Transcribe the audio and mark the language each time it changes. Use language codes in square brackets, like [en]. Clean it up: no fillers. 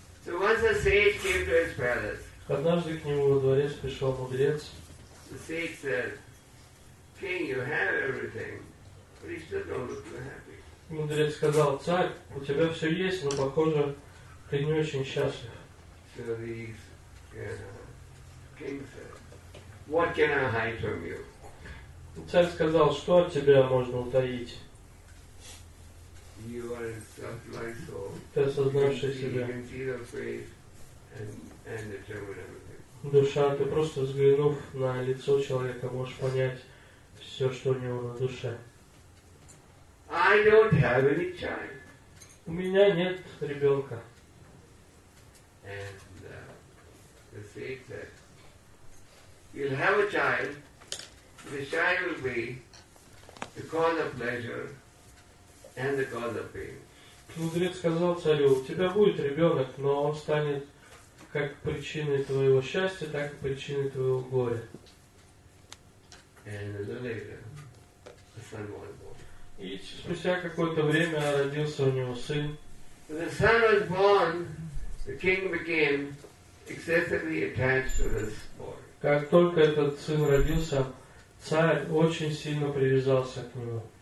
[en] So once the sage came to his palace. [ru] Однажды к нему во дворец пришел мудрец. [en] The sage said, King, you have everything, but you still don't look too happy. [ru] Мудрец сказал, царь, у тебя все есть, но похоже, ты не очень счастлив. [en] So the king said, What can I hide from you? [ru] Царь сказал, что от тебя можно утаить? [en] You are self-like soul. [ru] Ты осознавший себя. [en] You can see the face and determine everything. [ru] Душа, ты просто взглянув на лицо человека, можешь понять все, что у него на душе. [en] I don't have any child. [ru] У меня нет ребенка. [en] And the sage said, you'll have a child. The child will be the cause of pleasure. And the cause of pain. [ru] Мудрец сказал царю, у тебя будет ребенок, но он станет как причиной твоего счастья, так и причиной твоего горя. [en] And a little later, the son was born. [ru] И спустя какое-то время родился у него сын. [en] When the son was born, the king became excessively attached to this boy. [ru] Как только этот сын родился, царь очень сильно привязался к нему.